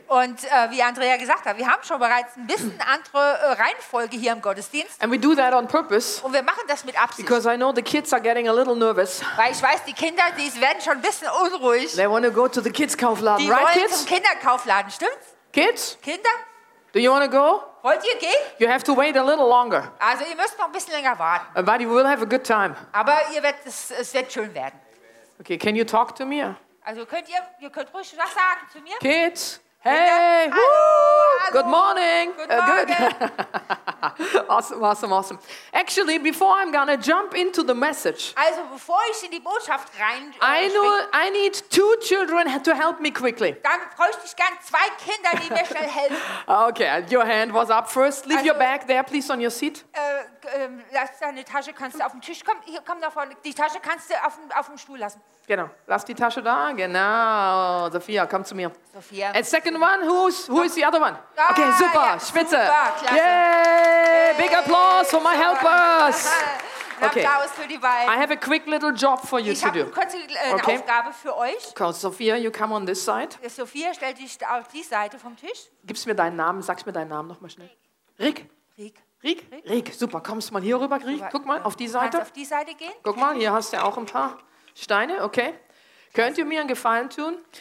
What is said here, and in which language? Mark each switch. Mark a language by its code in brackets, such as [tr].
[de] Und wie Andrea gesagt hat, wir haben schon bereits ein bisschen andere Reihenfolge hier im Gottesdienst. [en] And we do that on purpose. [de] Und wir machen das mit Absicht. [en] Because I know the kids are getting a little nervous. [de] Weil ich weiß, die Kinder, die werden schon ein bisschen unruhig. [en] They want to go to the kids' Kaufladen, [de] die [en] right, kids? [de] Die wollen zum Kinderkaufladen, stimmt's? [en] Kids? [de] Kinder? [en] Do you want to go? [de] Wollt ihr gehen? [en] You have to wait a little longer. [de] Also ihr müsst noch ein bisschen länger warten. [en] But you will have a good time. [de] Aber ihr werdet es wird schön werden. [en] Okay, can you talk to me? [de] Also könnt ihr ruhig was sagen zu mir? [en] Kids, hey, [de] hallo, woo! [en] Good morning. Good. awesome. Actually, before I'm gonna jump into the message. [de] Also bevor ich in die Botschaft rein. [en] I need two children to help me quickly. [de] Dann bräuchte ich gern zwei Kinder, die mir schnell helfen. [en] Okay, your hand was up first. Leave also, your bag there, please, on your seat. [de] Lass deine Tasche, kannst du auf den Tisch kommen? Hier, komm da vorne. Die Tasche kannst du auf dem Stuhl lassen. Genau. Lass die Tasche da. Genau. Sophia, komm zu mir. Sophia. [en] And second one, who is the other one? Ah, okay, super. [de] Ja, Spitze. Super, klasse. [en] Yay. Hey. Big applause for my helpers. [de] Okay. Für die beiden. [en] I have a quick little job for you [de] ich [en] to do. [de] Ich habe eine kurze Aufgabe für euch. [en] Okay, Sophia, you come on this side. [de] Sophia, stell dich auf die Seite vom Tisch. Gib's mir deinen Namen, sag's mir deinen Namen nochmal schnell. Rick. Rick. Rick? Rick, super, kommst mal hier rüber, Rick. Guck mal, auf die Seite. Kannst auf die Seite gehen? Guck mal, hier hast du ja auch ein paar Steine, okay. Könnt ihr mir einen Gefallen tun?